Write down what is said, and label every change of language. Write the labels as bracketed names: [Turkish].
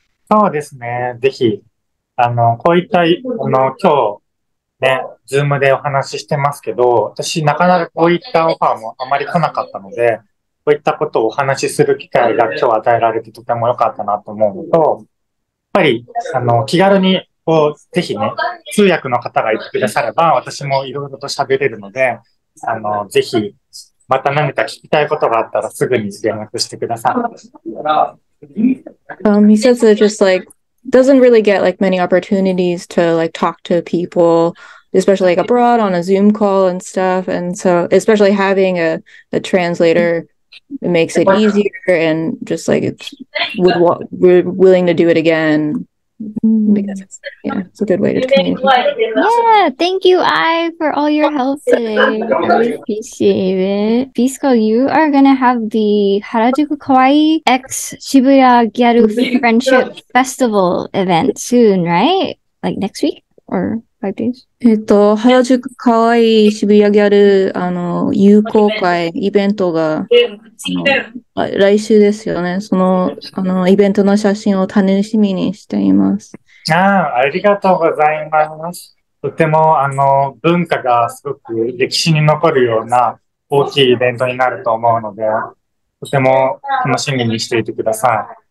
[Japanese] そうですね、ぜひ、あの、こういった、あの、今日、ね、ズームでお話ししてますけど、私、なかなかこういったオファーもあまり来なかったので、こういったことをお話しする機会が今日与えられてとても良かったなと思うのと、やっぱり、あの、気軽に、こう、ぜひね、通訳の方がいてくだされば、私もいろいろと喋れるので、あの、ぜひ、また何か聞きたいことがあったら、すぐに連絡してください。 [English] He says it just like, doesn't really get like many opportunities to like talk to people. Especially like abroad on a Zoom call and stuff. And so, especially having a translator, it makes it easier and just like it's willing to do it again. Because it's, yeah, it's a good way to communicate. Yeah, thank you, Ai, for all your help today. I appreciate it. Bisuko, you are going to have the Harajuku Kawaii X Shibuya Gyaru Friendship Festival event soon, right? Like next week or? [Japanese] 原宿かわいい渋谷ギャル、あの、友好会イベントが、来週ですよね。その、あの、イベントの写真を楽しみにしています。ああ、ありがとうございます。とても、あの、文化がすごく歴史に残るような大きいイベントになると思うので、とても楽しみにしていてください。